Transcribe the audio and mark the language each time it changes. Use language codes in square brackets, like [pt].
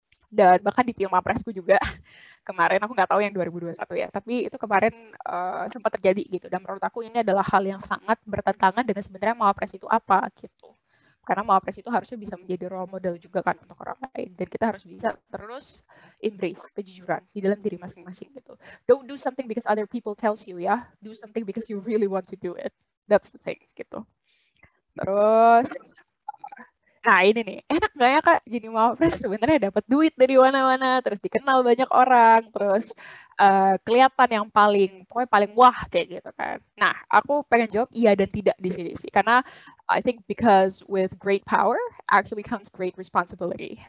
[id] Dan bahkan di film mawapresku juga. Kemarin aku nggak tahu yang 2021 ya, tapi itu kemarin sempat terjadi gitu. Dan menurut aku ini adalah hal yang sangat bertentangan dengan sebenarnya mawapres itu apa gitu. Karena mawapres itu harusnya bisa menjadi role model juga kan untuk orang lain. Dan kita harus bisa terus embrace kejujuran di dalam diri masing-masing gitu. [en] Don't do something because other people tells you ya. Do something because you really want to do it. That's the thing gitu. [id] Terus, nah ini nih, enak gak ya kak jadi mawapres sebenarnya dapat duit dari mana-mana, terus dikenal banyak orang, terus kelihatan yang paling, pokoknya paling wah kayak gitu kan. Nah aku pengen jawab iya dan tidak di sini sih, karena [en] I think because with great power actually comes great responsibility.